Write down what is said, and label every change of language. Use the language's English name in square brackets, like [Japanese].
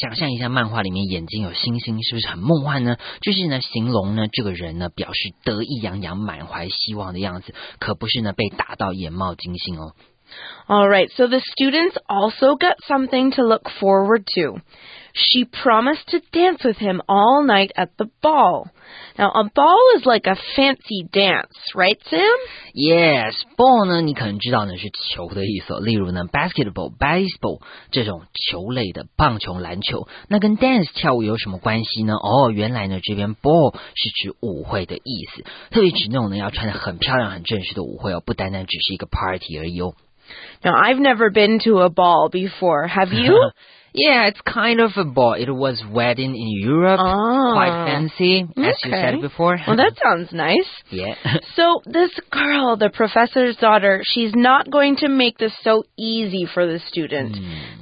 [Chinese] 想象一下漫画里面眼睛有星星，是不是很梦幻呢？就是呢，形容呢这个人呢表示得意洋洋、满怀希望的样子，可不是呢被打到眼冒金星哦。 [English] All right, so the students also got something to look forward to. She promised to dance with him all night at the ball. Now, a ball is like a fancy dance, right, Sam? [Chinese] Yes, ball 呢，你可能知道呢是球的意思。例如呢 ，basketball, baseball 这种球类的棒球、篮球。那跟 dance 跳舞有什么关系呢？哦，原来呢这边 ball 是指舞会的意思，特别指那种呢要穿得很漂亮、很正式的舞会哦，不单单只是一个 party 而已哦。 [English] Now, I've never been to a ball before, have you? Yeah, it's kind of a ball. It was wedding in Europe, quite fancy, as you said before. Well, that sounds nice. Yeah. So, this girl, the professor's daughter, she's not going to make this so easy for the student. Mm.